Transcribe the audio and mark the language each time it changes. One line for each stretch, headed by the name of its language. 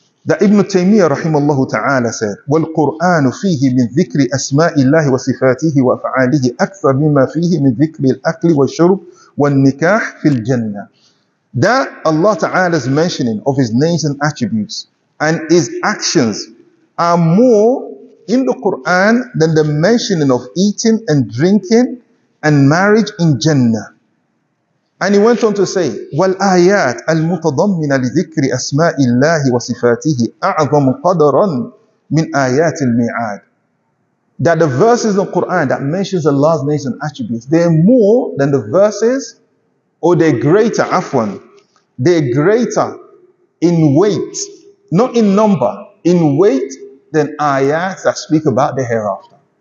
English: That Ibn Taymiyyah rahimahullah ta'ala said,
Arabic: وَالْقُرْآنُ فِيهِ مِنْ ذِكْرِ أَسْمَاءِ اللَّهِ وَصِفَاتِهِ وَأَفْعَالِهِ أَكْثَرُ مِمَّا فِيهِ مِنْ ذِكْرِ الْأَكْلِ وَالشُّرْبِ وَالنِّكَاحِ فِي الْجَنَّةِ.
English: That Allah Ta'ala's mentioning of His names and attributes and His actions are more in the Quran than the mentioning of eating and drinking and marriage in Jannah. And he went on to say,
Arabic: والآيات المتضمنة لذكر أسماء الله وصفاته أعظم قدرا من آيات الميعاد.
English: That the verses in the Quran that mentions Allah's names and attributes, they're greater in weight, not in number, in weight than ayats that speak about the hereafter.